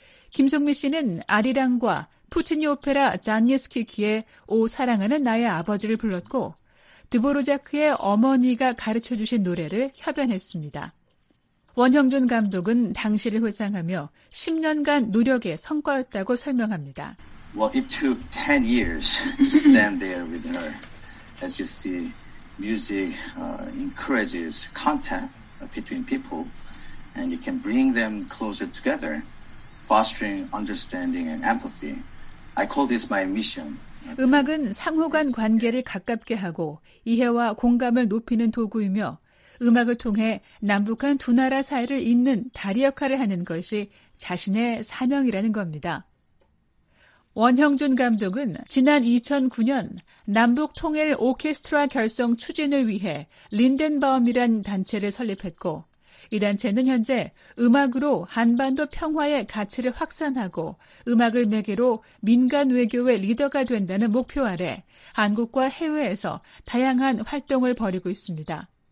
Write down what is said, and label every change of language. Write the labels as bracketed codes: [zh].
[ko] 김송미 씨는 아리랑과 푸치니 오페라 잔예스키키의 오 사랑하는 나의 아버지를 불렀고 드보르자크의 어머니가 가르쳐주신 노래를 협연했습니다. 원형준 감독은 당시를 회상하며 10년간 노력의 성과였다고 설명합니다. [en] Well, it took 10 years to stand there with her. As you see, music encourages contact between people and it can bring them closer together, fostering understanding and empathy. I call this my mission. [ko] 음악은 상호간 관계를 가깝게 하고 이해와 공감을 높이는 도구이며 음악을 통해 남북한 두 나라 사이를 잇는 다리 역할을 하는 것이 자신의 사명이라는 겁니다. 원형준 감독은 지난 2009년 남북통일 오케스트라 결성 추진을 위해 린덴바움이란 단체를 설립했고 이 단체는 현재 음악으로 한반도 평화의 가치를 확산하고 음악을 매개로 민간 외교의 리더가 된다는 목표 아래 한국과 해외에서 다양한 활동을 벌이고 있습니다.